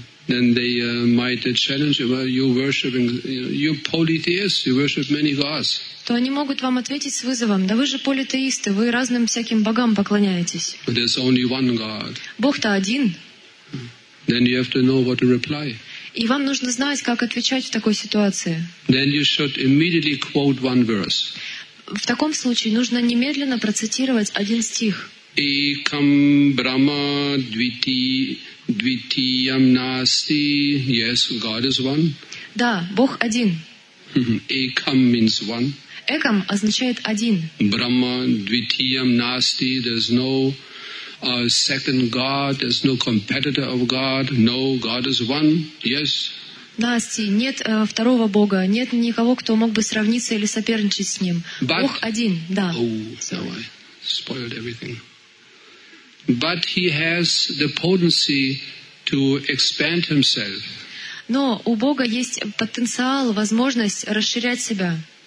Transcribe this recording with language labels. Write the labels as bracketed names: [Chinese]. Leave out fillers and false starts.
[English] then they might challenge you, well, you're worshiping, you're polytheist, you worship many gods. [Russian] То они могут вам ответить с вызовом: да вы же политеисты, вы разным всяким богам поклоняетесь. [English] But there's only one God. [Russian] Бог-то один. [English] Then you have to know what to reply. [Russian] И вам нужно знать, как отвечать в такой ситуации. [English] Then you should immediately quote one verse. [Russian] В таком случае нужно немедленно процитировать один стих. [Sanskrit] Ekam Brahma Dviti Dvitiyam Nasti. [English] Yes, God is one. [Russian] Да, Бог один. [English] Ekam means one. [Russian] Ekam означает один. [Sanskrit] Brahma Dvitiyam Nasti. [English] There's no second God. There's no competitor of God. No, God is one. Yes. [Russian] Насти, нет второго Бога. Нет никого, кто мог бы сравниться или соперничать с ним. [English] But, [Russian] Бог один. Да. [English] Oh, now I spoiled everything. But he has the potency to expand himself. [Russian] Но у Бога есть потенциал, возможность расширять себя.